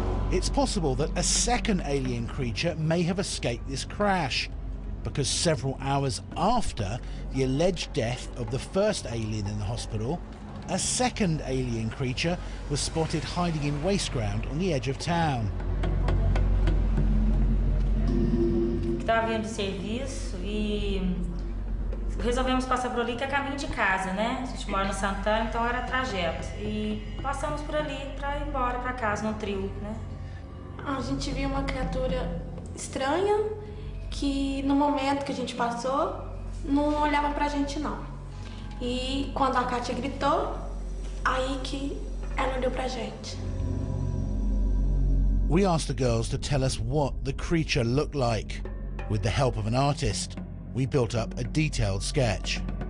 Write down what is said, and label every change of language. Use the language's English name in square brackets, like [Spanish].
[English] It's possible that a second alien creature may have escaped this crash, because several hours after the alleged death of the first alien in the hospital, a second alien creature was spotted hiding in waste ground on the edge of town. [Portuguese] Estava vindo serviço e resolvemos passar por ali, que é caminho de casa, né? A gente mora no Santana, então era trajeto. E passamos por ali para ir embora para casa no trio, né? A gente viu uma criatura estranha que no momento que a gente passou, não olhava pra gente, não. E quando a Kátia gritou, aí que ela olhou pra gente. [English] We asked the girls to tell us what the creature looked like. With the help of an artist, we built up a detailed sketch.